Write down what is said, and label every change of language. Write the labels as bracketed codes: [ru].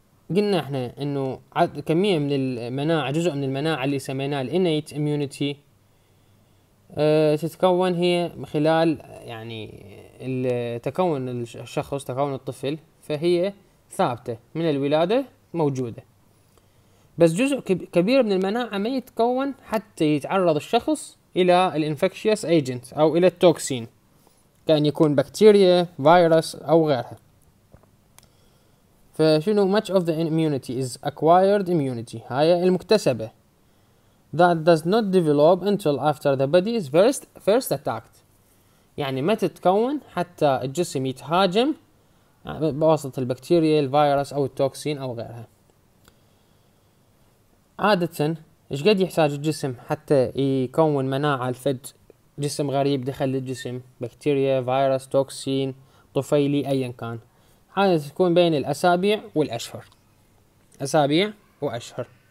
[ar] قلنا احنا انه كمية من المناعة، جزء من المناعة اللي سميناه الانيت اميونيتي، تتكون هي خلال يعني تكون الشخص، تكون الطفل، فهي ثابتة من الولادة موجودة. بس جزء كبير من المناعة ما يتكون حتى يتعرض الشخص الى الانفكشيوس ايجنت او الى التوكسين، كان يكون بكتيريا، فيروس او غيرها. فشنو [en] much of the immunity is acquired immunity، [ar] هاي المكتسبة، [en] that does not develop until after the body is first attacked، [ar] يعني ما تتكون حتى الجسم يتهاجم بواسطة البكتيريا، الفيروس او التوكسين او غيرها. عادة ايش قد يحتاج الجسم حتى يكون مناعة لفد جسم غريب دخل للجسم، بكتيريا، فيروس، توكسين، طفيلي، ايا كان؟ هذا تكون بين الاسابيع والاشهر، اسابيع واشهر.